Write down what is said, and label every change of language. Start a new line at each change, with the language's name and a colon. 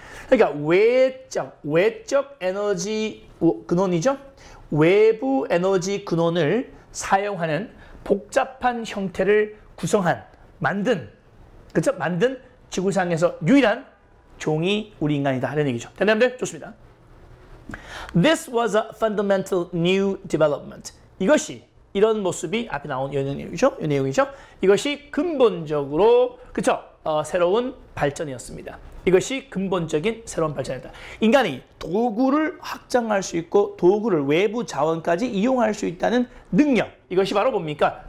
Korean: 그러니까 외적 에너지 근원이죠. 외부 에너지 근원을 사용하는 복잡한 형태를 구성한, 만든, 그쵸? 만든 지구상에서 유일한 종이 우리 인간이다. 하는 얘기죠. 됐나요, 여러분들? 좋습니다.
English: This was a fundamental new development.
Korean: 이것이, 이런 모습이 앞에 나온 이 내용이죠. 이것이 근본적으로, 그쵸? 새로운 발전이었습니다. 이것이 근본적인 새로운 발전이다. 인간이 도구를 확장할 수 있고 도구를 외부 자원까지 이용할 수 있다는 능력. 이것이 바로 뭡니까?